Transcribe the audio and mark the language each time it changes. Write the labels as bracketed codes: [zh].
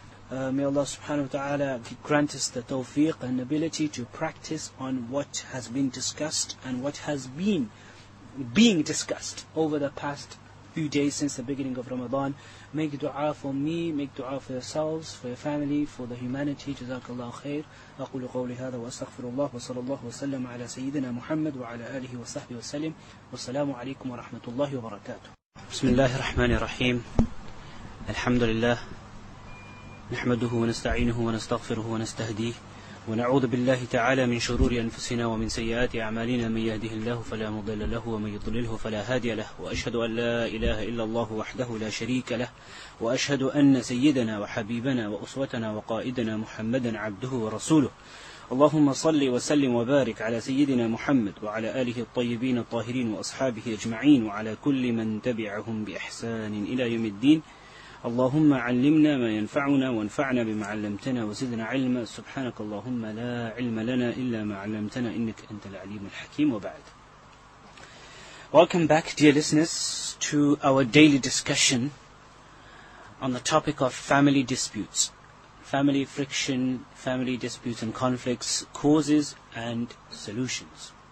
[en] May Allah subhanahu wa ta'ala grant us the tawfiq and ability to practice on what has been discussed and what has been being discussed over the past few days since the beginning of Ramadan. Make dua for me, make dua for yourselves, for your family, for the humanity. Jazakallahu khair. [ar] أقول قولي هذا وأستغفر الله وصلى الله وسلم على سيدنا محمد وعلى آله وصحبه وسلم والسلام عليكم ورحمة الله وبركاته. بسم الله الرحمن الرحيم. الحمد لله. نحمده ونستعينه ونستغفره ونستهديه ونعوذ بالله تعالى من شرور أنفسنا ومن سيئات أعمالنا من يهده الله فلا مضل له ومن يضلله فلا هادي له وأشهد أن لا إله إلا الله وحده لا شريك له وأشهد أن سيدنا وحبيبنا وأسوتنا وقائدنا محمدا عبده ورسوله اللهم صل وسلم وبارك على سيدنا محمد وعلى آله الطيبين الطاهرين وأصحابه أجمعين وعلى كل من تبعهم بإحسان إلى يوم الدين اللهم علمنا ما ينفعنا وانفعنا بما علمتنا وزدنا علما سبحانك اللهم لا علم لنا إلا ما علمتنا إنك أنت العليم الحكيم وبعد [en] Welcome back, dear listeners, to our daily discussion on the topic of family disputes, family friction, family disputes and conflicts, causes and solutions.